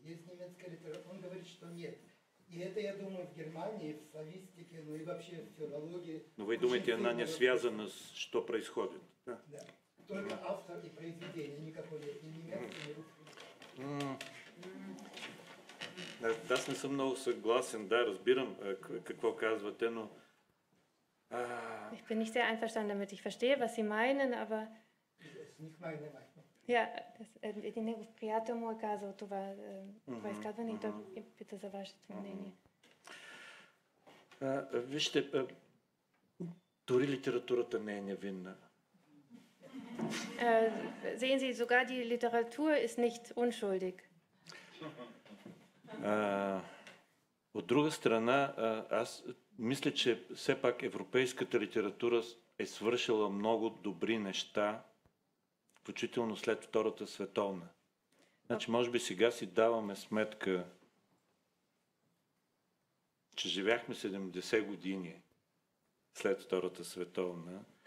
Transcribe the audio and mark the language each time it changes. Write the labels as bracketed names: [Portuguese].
[Russian] Есть немецкая литература? Он говорит, что нет. И это, я думаю, в Германии, в славистике, ну и вообще в филологии. Но вы думаете, она не связана с что происходит? Да. Только автор и произведение, никакой нет, ни немецкий, ни русский. [Bulgarian] Аз не съм много съгласен, да, разбирам какво казвате, но... [German] Ich bin nicht sehr einverstanden damit, ich verstehe, was Sie meinen, aber... Es ist nicht meine Meinung. [Bulgarian] Ja, един негов приятел му е казал това, това изказване, и той пита за вашето мнение. Вижте, Дори литературата не е невинна. [German] Sehen Sie, sogar die Literatur ist nicht unschuldig. [Bulgarian] От друга страна, аз мисля, че все пак европейската литература е свършила много добри неща, включително след Втората световна. Значи, може би сега си даваме сметка, че живяхме 70 години след Втората световна.